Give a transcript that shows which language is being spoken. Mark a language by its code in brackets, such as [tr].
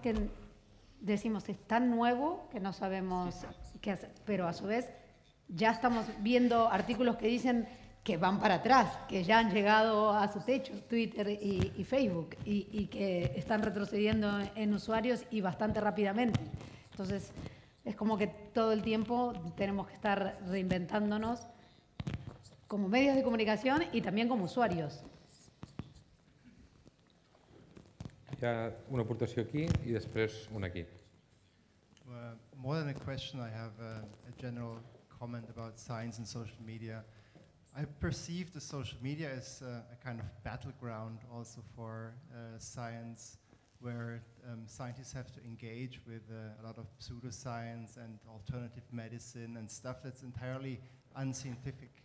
[es] Que decimos, es tan nuevo que no sabemos qué hacer, pero a su vez ya estamos viendo artículos que dicen que van para atrás, que ya han llegado a su techo Twitter y Facebook y que están retrocediendo en usuarios y bastante rápidamente. Entonces, es como que todo el tiempo tenemos que estar reinventándonos como medios de comunicación y también como usuarios. [ca] Una aportació aquí i després una aquí. [en] Well, more than a question, I have a general comment about science and social media. I perceive the social media as a kind of battleground also for science, where scientists have to engage with a lot of pseudoscience and alternative medicine and stuff that's entirely unscientific.